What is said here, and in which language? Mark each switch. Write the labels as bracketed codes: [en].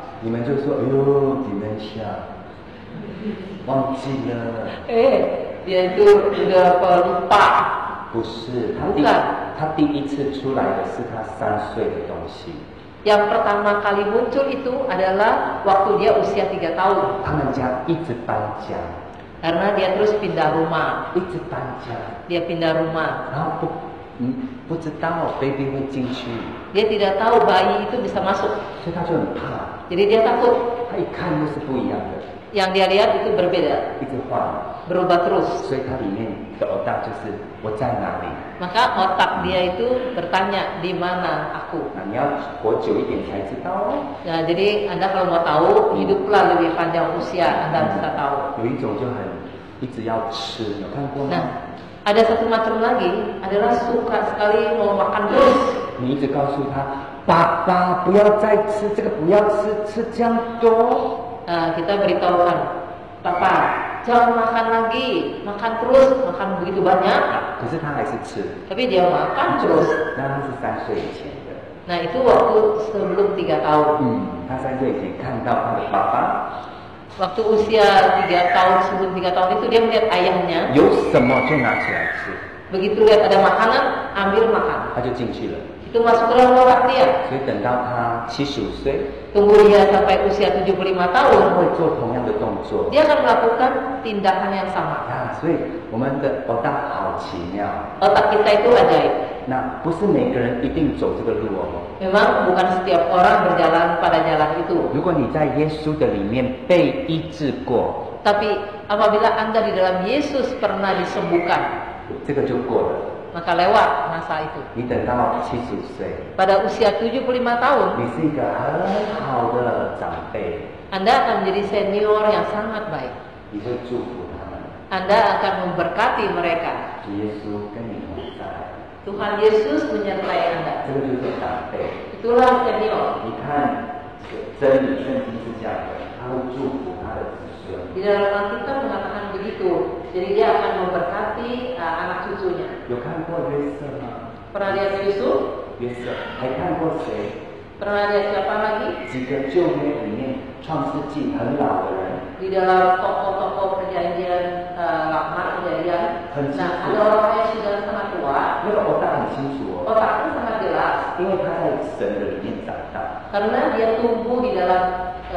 [zh] 你们就说，哎呦，dementia，忘记了。 [id] Dia itu sudah pelupa。 [zh] 不是，他第一次出来的是他三岁的东西。 [id] Yang pertama kali muncul itu adalah waktu dia usia 3 tahun. [zh] 他们家一直搬家。 [id] Karena dia terus pindah rumah. [zh] 一直搬家。 [id] Dia pindah rumah. [zh] 然后不知道 baby 会进去。 [id] Dia tidak tahu bayi itu bisa masuk. [zh] 所以他就很怕。 [id] Jadi dia takut. [zh] 他一看又是不一样的。 [id] Yang dia lihat itu berbeda. [zh] 一直换。 [id] Berubah terus. [zh] 所以他里面的otak就是我在哪里。 [id] Maka otak dia itu bertanya di mana aku. Nah, ni aku kocok ikan saya tu tahu. Nah, jadi anda kalau mau tahu hiduplah lebih panjang usia anda bisa tahu. [zh] 有一种就很一直要吃，有看过吗？ [id] Nah, ada satu macam lagi adalah suka sekali mau makan terus. [zh] 你一直告诉他，爸爸不要再吃这个，不要吃这样多。 [id] Nah, kita beritahukan, papa. Jangan makan lagi, makan terus, makan begitu banyak. [zh] 可是他还是吃。 [id] Tapi dia makan terus. [zh] 那他是三岁以前的。 [id] Nah itu waktu sebelum 3 tahun. [zh] 他三岁以前看到他的爸爸。 [id] Waktu usia 3 tahun sebelum 3 tahun itu dia melihat ayahnya. [zh] 有什么就拿起来吃。 [id] Begitu lihat ada makanan, ambil makan. [zh] 他就进去了。 [id] Itu masuk ke dalam otak dia. [zh] 所以等到他75岁。 [id] Tunggu dia sampai usia 75 tahun. [zh] 他会做同样的动作。 [id] Dia akan melakukan tindakan yang sama. [zh] 啊，所以我们的 otak 好奇妙。 [id] Otak kita itu ajaib. [zh] 那不是每个人一定走这个路哦。 [id] Memang bukan setiap orang berjalan pada jalan itu. [zh] 如果你在耶稣的里面被医治过。 [id] Tapi apabila anda di dalam Yesus pernah disembuhkan. [zh] 这个就过了。 [id] Maka lewat masa itu. [zh] 你等到70岁。 [id] Pada usia 75 tahun. [zh] 你是一个很好的长辈。 [id] Anda akan menjadi senior yang sangat baik. [zh] 你会祝福他们。 [id] Anda akan memberkati mereka. [zh] 主耶稣跟你同在。 [id] Tuhan Yesus menyertai Anda. [zh] 这个就是长辈。 [id] Itulah senior. [zh] 你看，真理圣经是这样的，他会祝福他的子孙。 [id] Di dalam Alkitab mengatakan begitu. Jadi dia akan memberkati anak cucunya. [zh] 有看过约瑟吗？ [id] Pernah lihat Yusuf? [zh] 约瑟，还看过谁？ [id] Pernah lihat siapa lagi? [zh] 几个旧约里面创世纪很老的人。 [id] Di dalam tokoh-tokoh perjanjian lama perjanjian. [zh] 很清楚。 [id] Nah, ada orang yang sudah sangat tua. [zh] 那个 otak 很清楚哦。 [id] Otaknya sangat jelas. [zh] 因为他在神的里面长大。 [id] Karena dia tumbuh di dalam